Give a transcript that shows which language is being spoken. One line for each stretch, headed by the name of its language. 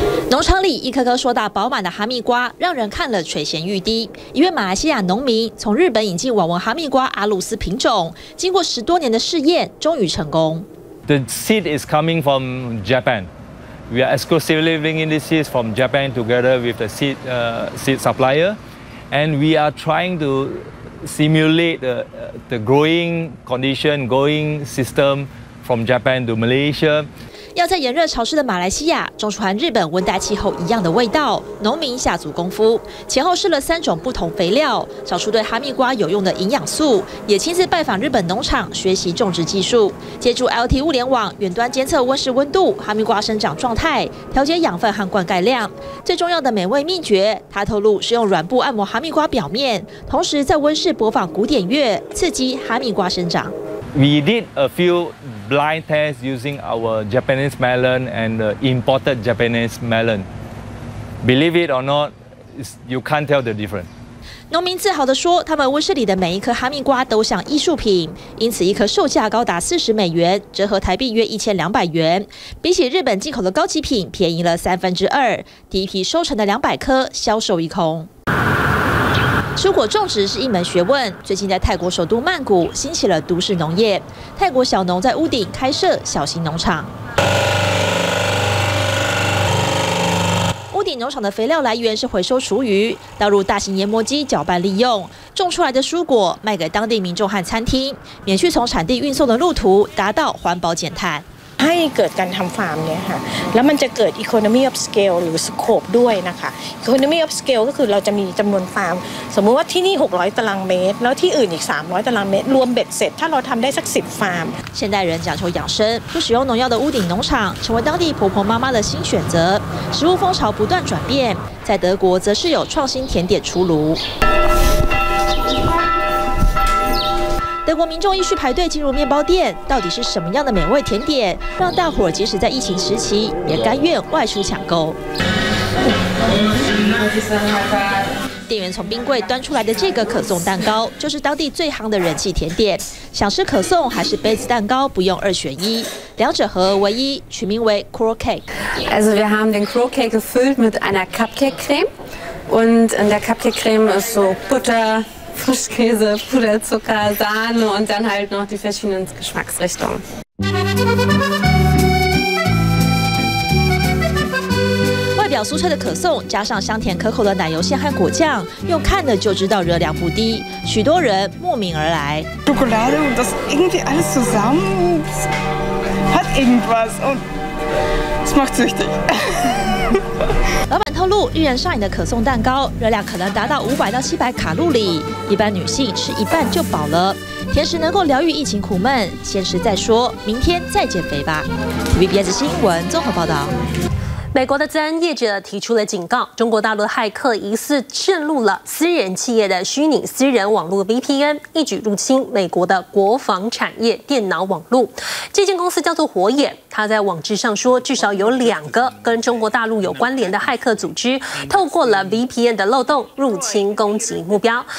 Chinese: 农场里一颗颗硕大饱满的哈密瓜，让人看了垂涎欲滴。一位马来西亚农民从日本引进网纹哈密瓜阿鲁斯品种，经过10多年的试验，终于成功。
English: The seed is coming from Japan. We are exclusively bringing the seeds from Japan together with the seed supplier, and we are trying to simulate the growing condition, growing system from Japan to Malaysia.
Chinese: 要在炎热潮湿的马来西亚种出和日本温带气候一样的味道，农民下足功夫，前后试了三种不同肥料，找出对哈密瓜有用的营养素，也亲自拜访日本农场学习种植技术，借助 LT 物联网远端监测温室温度、哈密瓜生长状态，调节养分和灌溉量。最重要的美味秘诀，他透露是用软布按摩哈密瓜表面，同时在温室播放古典乐，刺激哈密瓜生长。
English: We did a few blind tests using our Japanese melon and imported Japanese melon. Believe it or not, you can't tell the difference.
Chinese: 农民自豪地说，他们温室里的每一颗哈密瓜都像艺术品，因此一颗售价高达$40，折合台币约1200元，比起日本进口的高级品便宜了三分之二。第一批收成的200颗销售一空。蔬果种植是一门学问，最近在泰国首都曼谷兴起了都市农业，泰国小农在屋顶开设小型农场。屋顶农场的肥料来源是回收厨余，倒入大型研磨机搅拌利用，种出来的蔬果卖给当地民众和餐厅，免去从产地运送的路途，达到环保减碳。
Thai: ให้เกิดการทำฟาร์มเนี่ยค่ะแล้วมันจะเกิด
English: economy of scale
Thai: หรือ scope ด้วยนะคะ economy of scale ก็คือเราจะมีจำนวนฟาร์มสมมติว่าที่นี่600ตารางเมตรแล้วที่อื่นอีก300ตารางเมตรรวมเบ็ดเสร็จถ้าเราทำได้สัก10ฟาร์ม
Chinese: 现代人讲求养生不使用农药的屋顶农场成为当地婆婆妈妈的新选择食物风潮不断转变在德国则是有创新甜点出炉德国民众依序排队进入面包店，到底是什么样的美味甜点，让大伙即使在疫情时期也甘愿外出抢购？店员从冰柜端出来的这个可颂蛋糕，就是当地最夯的人气甜点。想吃可颂还是杯子蛋糕，不用二选一，两者合而为一，取名为 Crawl Cake。
German: Also, wir haben den Crawl Cake gefüllt mit einer Cupcake Creme, und in der Cupcake Creme ist so Butter. Frischkäse, Puderzucker, Sahne und dann halt noch die verschiedenen Geschmacksrichtungen.
Chinese: 外表酥脆的可颂，加上香甜可口的奶油馅和果酱，用看的就知道热量不低。许多人慕名而来。
German: Schokolade und das irgendwie alles zusammen hat irgendwas und es macht süchtig.
Chinese: 老板透露，遇人上瘾的可颂蛋糕，热量可能达到500到700卡路里，一般女性吃一半就饱了。甜食能够疗愈疫情苦闷，先吃再说，明天再减肥吧。 TVBS 新闻综合报道。美国的资安业者提出了警告，中国大陆骇客疑似渗入了私人企业的虚拟私人网络 VPN， 一举入侵美国的国防产业电脑网络。这间公司叫做火眼，他在网志上说，至少有两个跟中国大陆有关联的骇客组织，透过了 VPN 的漏洞入侵攻击目标。